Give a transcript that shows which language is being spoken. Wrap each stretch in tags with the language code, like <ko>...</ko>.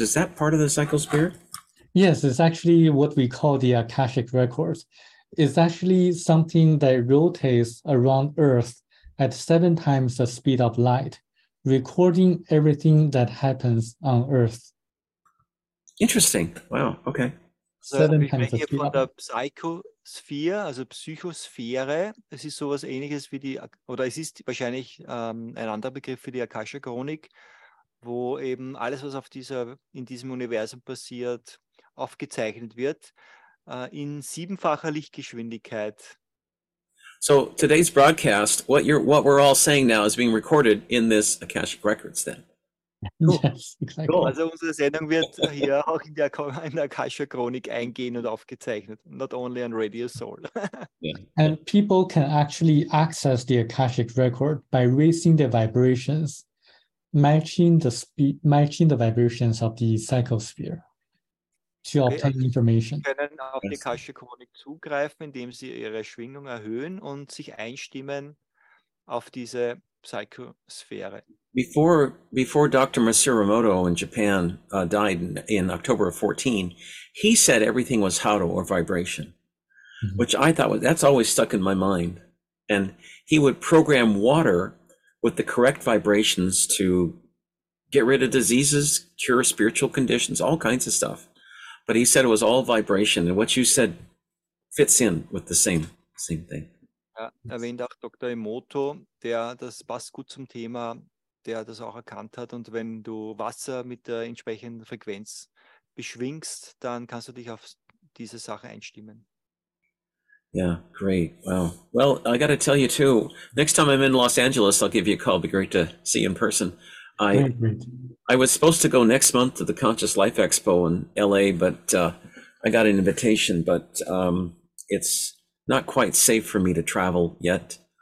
<en>Is that part of the psychosphere? Yes, it's actually what we call the Akashic Records. It's actually something that rotates around Earth at 7 times the speed of light, recording everything that happens on Earth. Interesting. Wow. Okay.</en> <de>So, wir sprechen hier von der Psychosphäre, also Psychosphäre. Es ist sowas Ähnliches wie die, oder es ist wahrscheinlich ein anderer Begriff für die Akasha Chronik, wo eben alles, was in diesem Universum passiert, aufgezeichnet wird in siebenfacher Lichtgeschwindigkeit.</de> <en>So today's broadcast, what we're all saying now is being recorded in this Akashic Records then. Yes, exactly. Cool.</en> <de>Also unsere Sendung wird hier auch in der Akasha-Chronik eingehen und aufgezeichnet.</de> <en>Not only on Radio Soul. And people can actually access the Akashic Record by raising their vibrations, matching the vibrations of the psychosphere to obtain information.</en> <de>Sie können auf die Akasha-Chronik zugreifen, indem sie ihre Schwingung erhöhen und sich einstimmen auf diese Psychosphäre.</de> <en>Before Dr. Masaru Emoto in Japan died in October of 14, he said everything was hado or vibration, mm-hmm. which I thought that's always stuck in my mind. And he would program water with the correct vibrations to get rid of diseases, cure spiritual conditions, all kinds of stuff. But he said it was all vibration, and what you said fits in with the same thing.</en> <de>Ja, erwähnt auch Dr. Emoto, der das passt gut zum Thema. Der das auch erkannt hat. Und wenn du Wasser mit der entsprechenden Frequenz beschwingst, dann kannst du dich auf diese Sache einstimmen.</de> <en>Yeah, great. Wow. Well, I got to tell you too, next time I'm in Los Angeles, I'll give you a call. It'd be great to see you in person. I was supposed to go next month to the Conscious Life Expo in LA, but I got an invitation, but it's not quite safe for me to travel yet.</en>